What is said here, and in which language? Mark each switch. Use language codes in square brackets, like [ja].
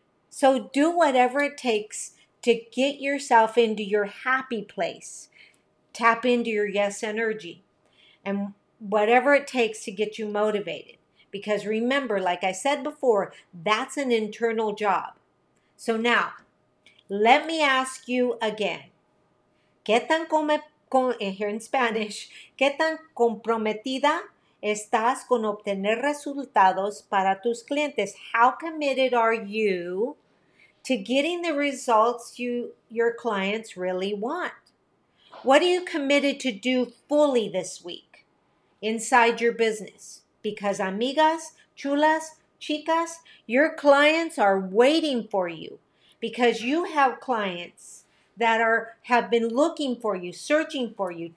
[en] So do whatever it takes to get yourself into your happy place. Tap into your yes energy and whatever it takes to get you motivated. Because remember, like I said before, that's an internal job. So now, let me ask you again. [es] ¿Qué tan [en] here in Spanish, [es] ¿qué tan comprometida estás con obtener resultados para tus clientes? [en] How committed are you to getting the results your clients really want? What are you committed to do fully this week inside your business? Because [es] amigas, chulas, chicas, [en] your clients are waiting for you, because you have clients that have been looking for you, searching for you.